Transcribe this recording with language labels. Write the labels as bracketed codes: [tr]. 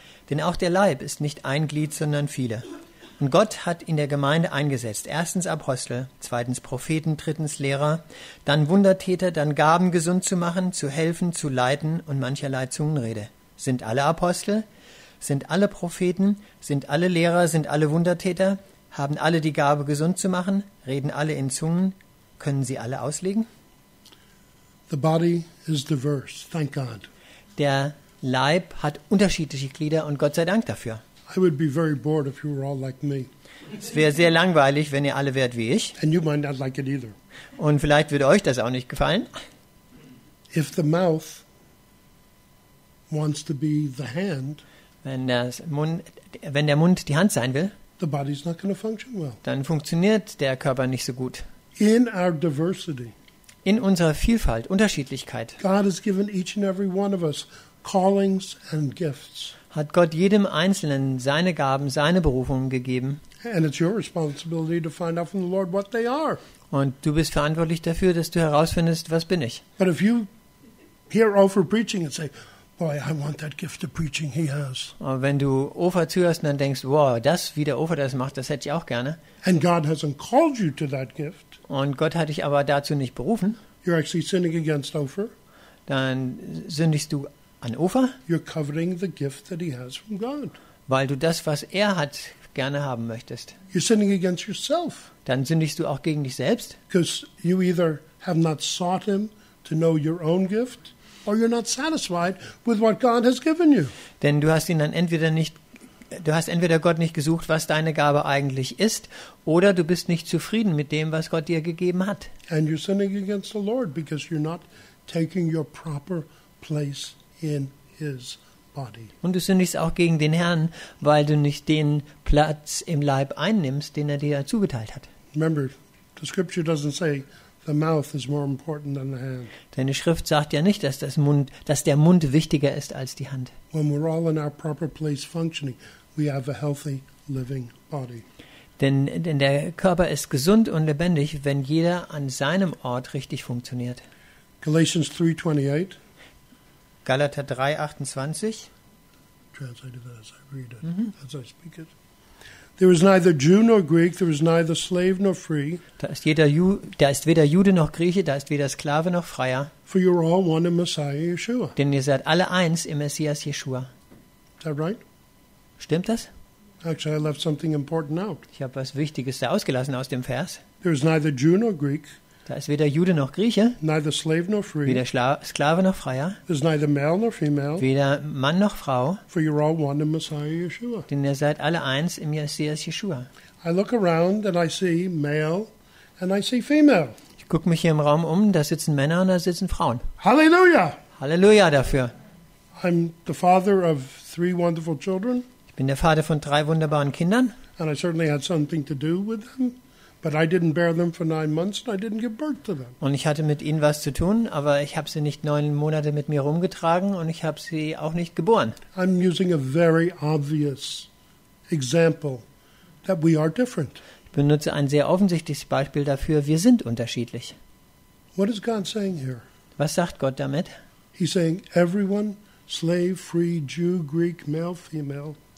[de] Denn auch der Leib ist nicht ein Glied, sondern viele. Und Gott hat in der Gemeinde eingesetzt, erstens Apostel, zweitens Propheten, drittens Lehrer, dann Wundertäter, dann Gaben gesund zu machen, zu helfen, zu leiten und mancherlei Zungenrede. Sind alle Apostel? Sind alle Propheten? Sind alle Lehrer? Sind alle Wundertäter? Haben alle die Gabe, gesund zu machen? Reden alle in Zungen? Können sie alle auslegen? [en] The body is diverse, thank God. [de] Der Leib hat unterschiedliche Glieder und Gott sei Dank dafür. [en] I would be very bored if you were all like me. [de] Es wäre sehr langweilig, wenn ihr alle wärt wie ich. [en] And you might not like it either. [de] Und vielleicht würde euch das auch nicht gefallen. [en] If the mouth wants to be the hand, [de] wenn der Mund die Hand sein will, [en] the body's not going to function well. [de] Dann funktioniert der Körper nicht so gut. [en] In our diversity. [de] In unserer Vielfalt, Unterschiedlichkeit. [en] God has given each and every one of us callings and gifts. [de] Hat Gott jedem Einzelnen seine Gaben, seine Berufungen gegeben. [en] And it's your responsibility to find out from the Lord what they are. [de] Und du bist verantwortlich dafür, dass du herausfindest, was bin ich. [en] But if you hear Ofer preaching and say, boy, I want that gift of preaching he has. [de] Und wenn du Ofer zuhörst und dann denkst, wow, das, wie der Ofer das macht, das hätte ich auch gerne. [en] And God hasn't called you to that gift. [de] Und Gott hat dich aber dazu nicht berufen. [en] You're actually sinning against Ofer. [de] Dann sündigst du an Ofer, [en] you're covering the gift that he has from God. [de] Weil du das, was er hat, gerne haben möchtest. [en] You're sinning against yourself. [de] Dann sündigst du auch gegen dich selbst. [en] Because you either have not sought him to know your own gift. or you're not satisfied with what God has given you. [de] Denn du hast ihn dann entweder nicht, du hast entweder Gott nicht gesucht, was deine Gabe eigentlich ist, oder du bist nicht zufrieden mit dem, was Gott dir gegeben hat. [en] And you're sinning against the Lord because you're not taking your proper place in His body. [de] Und du sündigst auch gegen den Herrn, weil du nicht den Platz im Leib einnimmst, den er dir zugeteilt hat. [en] Remember, the scripture doesn't say the mouth is more important than the hand. [de] Deine Schrift sagt ja nicht, dass das Mund, dass der Mund wichtiger ist als die Hand. [en] When we're all in our proper place functioning, we have a healthy, living body. [de] Denn der Körper ist gesund und lebendig, wenn jeder an seinem Ort richtig funktioniert. [en] Galatians 3:28. [de] Galater 3:28. [en] Translated as I read it, as I speak it. There is neither Jew nor Greek, there is neither slave nor free. [de] Da ist weder Jude noch Grieche, da ist weder Sklave noch Freier. [en] For you are all one in Messiah Yeshua. [de] Denn ihr seid alle eins im Messias Yeshua. [en] Is that right? [de] Stimmt das? [en] Actually, I left something important out. [de] Ich habe was Wichtiges da ausgelassen aus dem Vers. [en] There is neither Jew nor Greek. [de] Da ist weder Jude noch Grieche. [en] Neither slave nor free. [de] Weder Sklave noch Freier. [en] There is neither male nor female. [de] Weder Mann noch Frau. [en] For you are all one in Messiah Yeshua. [de] Denn ihr seid alle eins im Messias Yeshua. [en] I look around and I see male and I see female. [de] Ich gucke mich hier im Raum um. Da sitzen Männer und da sitzen Frauen. Halleluja! Halleluja dafür. [en] I'm the father of three wonderful children. [de] Ich bin der Vater von drei wunderbaren Kindern. [en] And I certainly had something to do with them, but I didn't bear them for 9 months and I didn't give birth to them. [de] Und ich hatte mit ihnen was zu tun, aber ich habe sie nicht 9 Monate mit mir rumgetragen und ich habe sie auch nicht geboren. [en] I'm using a very obvious example that we are different. [de] Ich benutze ein sehr offensichtliches Beispiel dafür, wir sind unterschiedlich. [en] What is God saying here? [de] Was sagt Gott damit? [en] He's saying everyone, slave, free, Jew, Greek, male, female.